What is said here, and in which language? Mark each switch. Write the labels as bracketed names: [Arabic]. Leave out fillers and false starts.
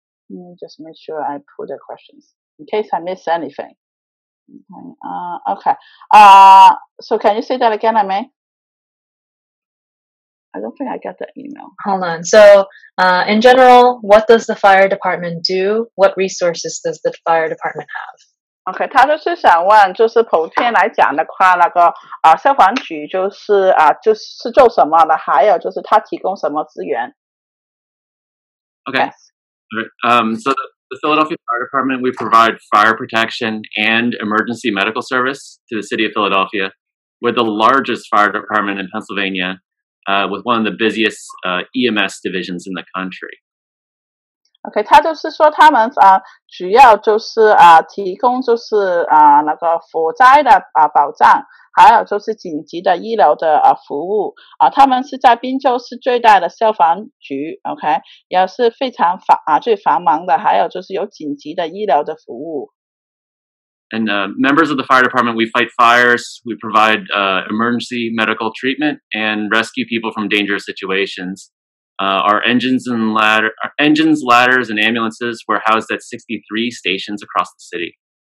[English] Let me just make sure I put the questions in case I miss anything. Okay, so can you say that again, Lemme? I don't think I got that email. Hold on. So, in general, what does the fire department do? What resources does the fire department have? [Chinese] Okay, 他就是想问，就是普遍来讲的话，那个消防局就是做什么的，还有就是他提供什么资源。 Okay. Yes. [English] So the Philadelphia Fire Department, we provide fire protection and emergency medical service to the city of Philadelphia. We're the largest fire department in Pennsylvania. With one of the busiest EMS divisions in the country. [Chinese] Okay, 他就是说他们主要就是提供就是那个火灾的保障，还有就是紧急的医疗的服务。他们是在宾州是最大的消防局，OK，也是非常繁最繁忙的，还有就是有紧急的医疗的服务。 [English] And members of the fire department, we fight fires, we provide emergency medical treatment, and rescue people from dangerous situations. Our engines, ladders, and ambulances were housed at 63 stations across the city.